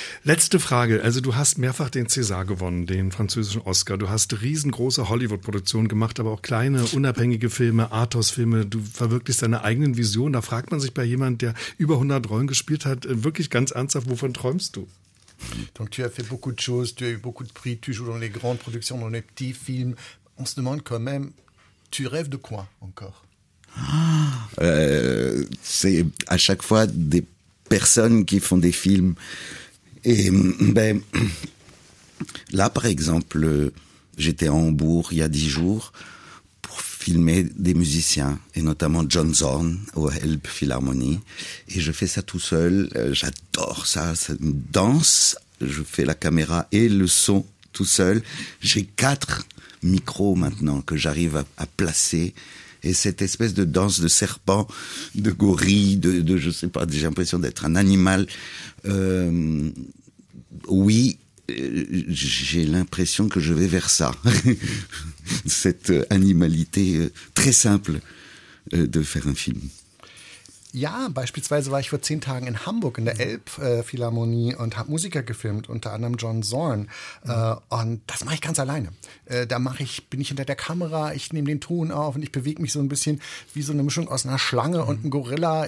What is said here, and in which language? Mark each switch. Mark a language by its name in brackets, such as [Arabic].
[German] Letzte Frage. Also du hast mehrfach den César gewonnen, den französischen Oscar. Du hast riesengroße Hollywood-Produktionen gemacht, aber auch kleine, unabhängige Filme, Arthouse-Filme. Du verwirklichst deine eigenen Visionen. Da fragt man sich bei jemandem, der über 100 Rollen gespielt hat, wirklich ganz ernsthaft, wovon träumst du? [French] Donc tu as fait beaucoup de choses, tu as eu beaucoup de prix, tu joues dans les grandes productions, dans les petits films. On se demande quand même, tu rêves de quoi encore? C'est à chaque fois des personnes qui font des films. Et ben, là, par exemple, j'étais à Hambourg il y a 10 jours pour filmer des musiciens, et notamment John Zorn au Elbe Philharmonie. Et je fais ça tout seul, j'adore ça, c'est une danse. Je fais la caméra et le son tout seul. J'ai 4 micros maintenant que j'arrive à placer. Et cette espèce de danse de serpent, de gorille, de je sais pas, j'ai l'impression d'être un animal. Oui, j'ai l'impression que je vais vers ça. Cette animalité très simple de faire un film. [German] Ja, beispielsweise war ich vor 10 Tagen in Hamburg in der Elbphilharmonie und habe Musiker gefilmt, unter anderem John Zorn. Und das mache ich ganz alleine. Bin ich hinter der Kamera, ich nehme den Ton auf und ich bewege mich so ein bisschen wie so eine Mischung aus einer Schlange und einem Gorilla.